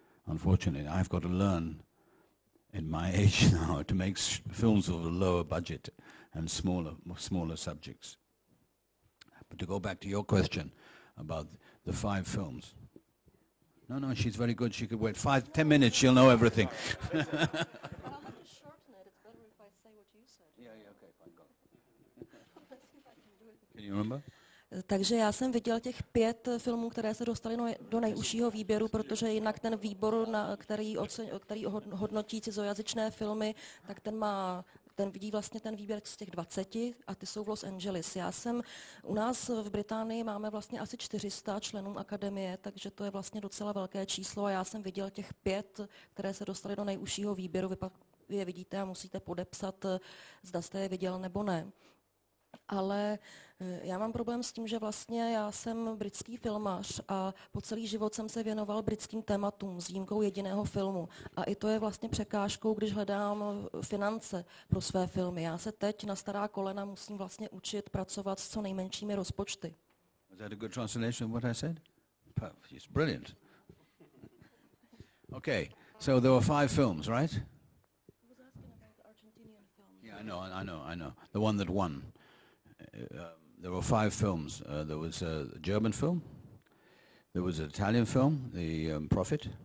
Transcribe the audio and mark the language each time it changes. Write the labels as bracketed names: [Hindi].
[English] Unfortunately, I've got to learn, in my age now, to make films of a lower budget and smaller subjects. But to go back to your question about the five films. No, she's very good. She could wait 5-10 minutes. She'll know everything. But I'll have to shorten it. It's better if I say what you said. Yeah, okay, fine, go. Let's see if I can do it. you remember? [Czech] Takže já jsem viděl těch pět filmů, které se dostaly do nejužšího výběru, protože jinak ten výbor, který hodnotí cizojazyčné filmy, tak ten vidí vlastně ten výběr z těch 20 a ty jsou v Los Angeles. Já jsem, u nás v Británii máme vlastně asi 400 členů akademie, takže to je vlastně docela velké číslo a já jsem viděl těch pět, které se dostaly do nejužšího výběru. Vy pak je vidíte a musíte podepsat, zda jste je viděl nebo ne. Ale já mám problém s tím, že vlastně já jsem britský filmař a po celý život jsem se věnoval britským tématům s výjimkou jediného filmu. A i to je vlastně překážkou, když hledám finance pro své filmy. Já se teď na stará kolena musím vlastně učit pracovat s co nejmenšími rozpočty. [English] Was that a good translation of what I said? It's brilliant. Okay, so there were five films, right? He was asking about the Argentinian film. Yeah, I know. The one that won. There were five films. There was a German film, there was an Italian film, The Prophet.